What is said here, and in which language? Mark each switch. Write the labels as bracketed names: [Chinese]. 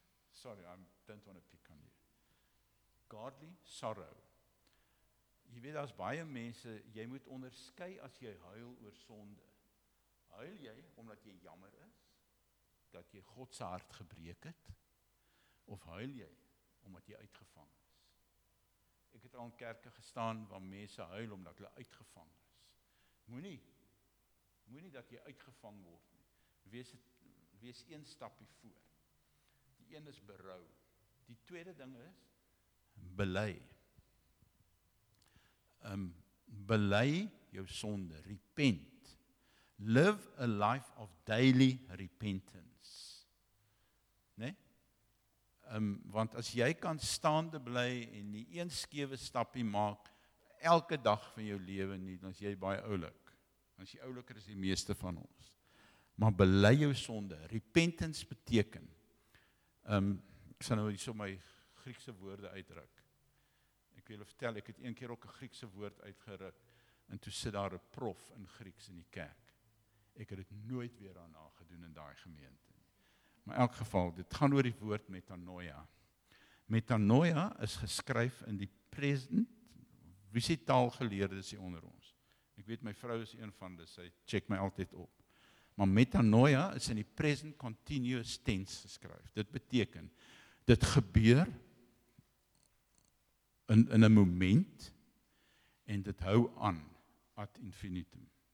[English] Sorry, I don't want to pick on you. Godly sorrow. [Afrikaans] Jy weet, daar's baie mense, jy moet onderskei as jy huil oor sonde. Huil jy omdat jy jammer is, dat jy God se hart gebreek het, of huil jy omdat jy uitgevang is? Ek het al in kerke gestaan waar mense huil omdat hulle uitgevang is. Moenie dat jy uitgevang word nie. Wees een stapie voor. Die een is berou. Die tweede ding is, bely. Bely jou sonde, [English] repent. Live a life of daily repentance. [Afrikaans] Nee? Want as jy kan staande bly en nie een skewe stapie maak, elke dag van jou lewe nie, dan is jy baie oulik. As jy ouliker is die meeste van ons. Maar bely jou sonde. Repentance beteken, ek sal nou so my Griekse woorde uitdruk. Ek wil vertel, ek het een keer ook 'n Griekse woord uitgeruk en toe sit daar 'n prof in Grieks in die kerk. Ek het dit nooit weer daarna gedoen in daai gemeente. Maar in elk geval, dit gaan oor die woord metanoia. Metanoia is geskryf in die present. Wie sê taalgeleerde is hier onder ons? Ek weet my vrou is een van hulle, sy check my altyd op. Maar metanoia is in die present continuous tense geskryf. Dit beteken, dit gebeur in 'n moment, en dit hou aan, ad infinitum.